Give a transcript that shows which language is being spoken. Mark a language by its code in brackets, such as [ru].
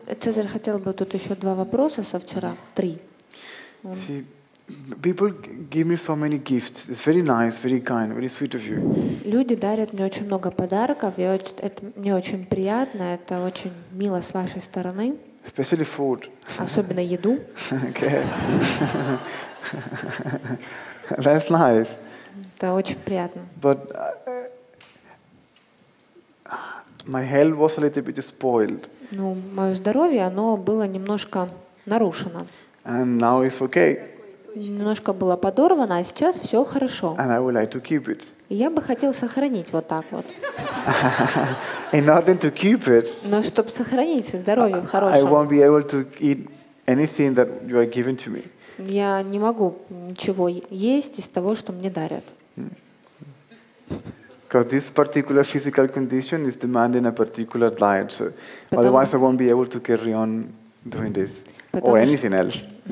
[ru] Цезарь хотел бы тут еще два вопроса со вчера. Три. [en] See, people give me so many gifts. It's very nice, very kind, very sweet of you. [ru] Люди дарят мне очень много подарков. Это мне очень приятно. Это очень мило с вашей стороны. [en] Especially food. [ru] Особенно еду. [en] That's nice. [ru] Это очень приятно. [en] But my health was a little bit spoiled. [ru] Ну, мое здоровье, оно было немножко нарушено. [en] And now it's okay. [ru] Немножко было подорвано, а сейчас все хорошо. [en] And I would like to keep it. [ru] И я бы хотел сохранить вот так вот. [en] In order to keep it. [ru] Но чтобы сохранить здоровье хорошее. [en] I won't be able to eat anything that you are giving to me. [ru] Я не могу ничего есть из того, что мне дарят. [en] Because this particular physical condition is demanding a particular diet, so otherwise I won't be able to carry on doing this or anything else.